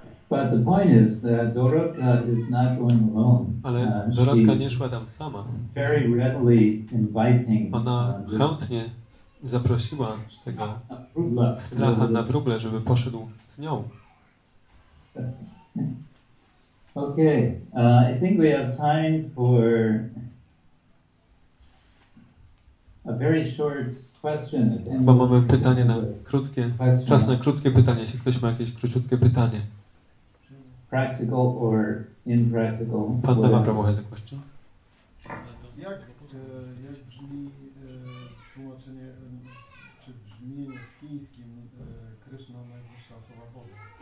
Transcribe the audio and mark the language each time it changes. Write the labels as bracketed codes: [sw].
[en] But the point is that Dorotka is not going alone. [pl] Ale Dorotka nie szła tam sama. [en] Very readily inviting. [pl] Ona chętnie zaprosiła tego stracha na wróble, żeby poszedł z nią. [en] Okay, I think we have time for a very short question. [pl] Bo mamy pytanie na krótkie, czas na krótkie pytanie, jeśli ktoś ma jakieś króciutkie pytanie. [en] Practical or impractical? Pan da ma prawo hezek właściwie. [pl] Jak brzmi tłumaczenie, czy brzmienie w chińskim Krishna najwyższa osoba Boga?